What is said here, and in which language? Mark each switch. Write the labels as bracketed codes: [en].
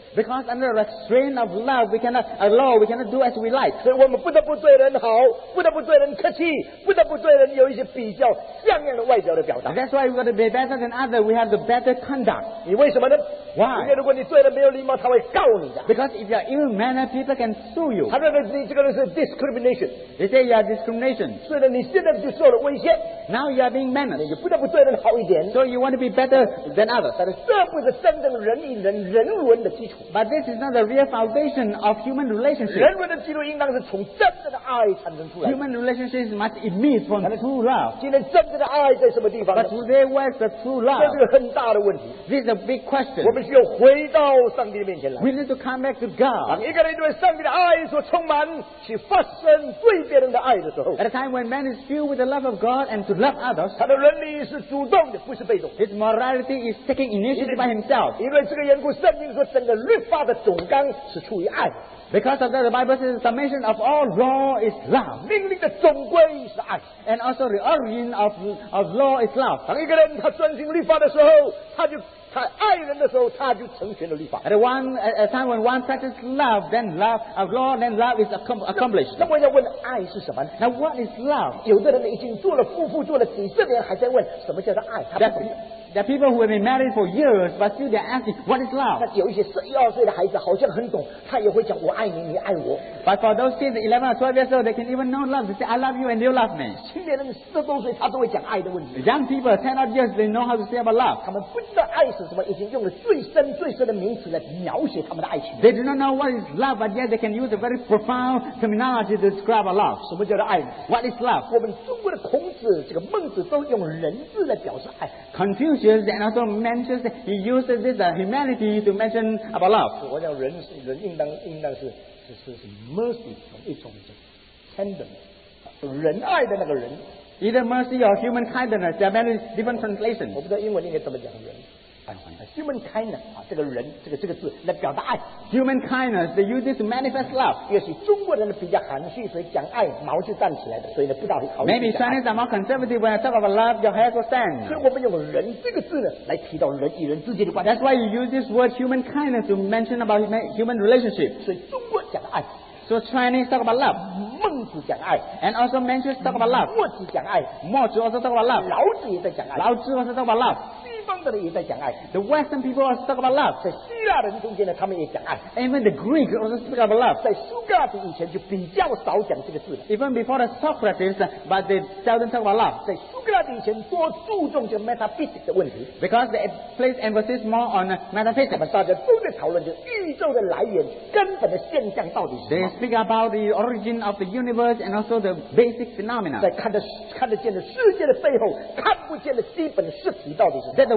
[en] Because under the restraint of love, we cannot a law, we cannot do as we like. [zh] 所以我们不得不对人好，不得不对人客气，不得不对人有一些比较像样的外表的表达。 [en] That's why we got to be better than others. We have the better conduct. [zh] 你为什么呢 [en] ？Why？ [zh] 因为如果你对人没有礼貌，他会告你的。 [en] Because if you are ill mannered, people can sue you. [zh] 他认为你这个人是 discrimination. [en] They say you are discrimination. [zh] 所以你现在就受了威胁。 [en] Now you are being mannered. [zh] 你就不得不对人好一点。 [en] So you want to be better than others. [zh] 但是这不是真正人与人人文的基础。 [en] But this is not the real foundation of human relationship. [zh] 人文的基础应当是从真正的爱产生出来。 [en] Human relationships must emit from true love. [zh] 今天真正的爱在什么地方呢 [en] ？But today, where's the true love? [zh] 这是个很大的问题。 [en] This is a big question. [zh] 我们需要回到上帝的面前来。 [en] We need to come back to God. [zh] 当一个人对上帝的爱所充满，去发生对别人的爱的时候 [en] ，At a time when man is filled with the love of God and to love others, [zh] 他的伦理是主动的，不是被动。 [en] His morality is taking initiative by himself. [zh] 因为这个缘故，圣经说整个律法的总纲是出于爱。 [en] Because of that, the Bible says the summation of all law is love. [zh] 命令的总归是爱。 [en] And also the origin of law is love. [zh] 当一个人他遵行律法的时候，他爱人的时候，他就成全了律法。 [en] At a time when one practices love, then love of law, then love is accomplished. [zh] 那我要问，爱是什么 [en] ？Now what is love? [zh] 有的人已经做了夫妇，做了几十年，还在问什么叫做爱？他不懂。 [en] There are people who have been married for years, but still they're asking, what is love? [zh] 那有一些十一二岁的孩子好像很懂，他也会讲我爱你，你爱我。 [en] But for those kids, 11 or 12 years old, they can even know love. They say, I love you and you love me. [zh] 青年人十多岁，他都会讲爱的问题。 [en] Young people, 10 or 12 years, they know how to say about love. [zh] 他们不知道爱是什么，已经用了最深最深的名词来描写他们的爱情。 [en] They do not know what is love, but yet they can use a very profound terminology to describe a love. [zh] 什么叫做爱？ [en] What is love? [zh] 我们中国的孔子、这个孟子都用人字来表示爱。 [en] Confucius and also mentions he uses this humanity to mention about love. [zh] 我讲人是人应当是 mercy 一种 tenderness 仁爱的那个人。 [en] Either mercy or human kindness, there are many different translations. [zh] 我不知道英文应该怎么讲人。 [en] Human kindness [zh] 啊，这个人这个字来表达爱。 [en] Human kindness, they use this to manifest love. [zh] 也许中国人比较含蓄，所以讲爱毛就站起来的，所以呢不知道好。 [en] Maybe Chinese are more conservative. When I talk about love, your hair will stand. [zh] 所以我们用人这个字呢来提到人与人之间的关系。 [en] That's why you use this word human kindness to mention about human relationship. [zh] 所以中国讲爱。 [en] So Chinese talk about love. [zh] 孟子讲爱。 [en] And also Mencius talk about love. [zh] 墨子讲爱。 [en] 墨子 also talk about love. [zh] 老子也在讲爱。 [en] 老子 also talk about love. The Western people also talk about love. [zh] 在希腊人中间呢，他们也讲爱。 [en] Even the Greek also speak about love. [zh] 在苏格拉底以前就比较少讲这个字了。 [en] Even before the Socrates, but they seldom talk about love. [zh] 在苏格拉底以前多注重这个 metaphysics 的问题。 [en] Because they place emphasis more on metaphysics. [zh] 他们大家都在讨论就宇宙的来源、根本的现象到底是什么。 [en] They speak about the origin of the universe and also the basic phenomena. [zh] 在看得见的世界的背后，看不见的基本的实体到底是什么。